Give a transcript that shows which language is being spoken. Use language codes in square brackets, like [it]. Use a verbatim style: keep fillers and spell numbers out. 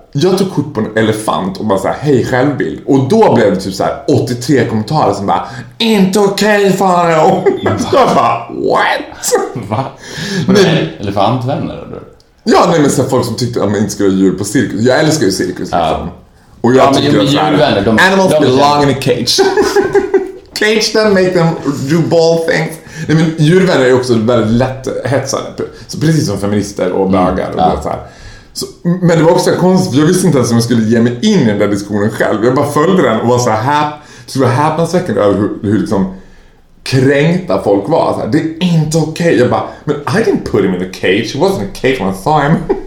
[sv] Jag tog kort på en elefant och bara såhär, hej självbild. Och då blev det typ så här åttiotre kommentarer som bara, inte okej okay, Faro. Jag bara, [en] what? [sv] Va? Men det är elefantvänner eller? Ja, nej men så här, folk som tyckte att man inte skulle ha djur på cirkus. Jag älskar ju cirkus liksom. Ja. Och jag ja, tycker men, att djurvänner, de, [en] animals [sv] de, de, [en] belong in a cage. Cage them, make them do ball things. [sv] Nej men djurvänner är också väldigt lätt hetsade. Så precis som feminister och bögar och ja. så här. Så, men det var också konstigt, jag visste inte ens om jag skulle ge mig in i den där diskussionen själv. Jag bara följde den och var så här, så var häpnadsväckande över hur, hur liksom kränkta folk var. Så här, det är inte okej. Okay. Jag bara, men [en] I didn't put him in a cage. It wasn't a cage when I saw him.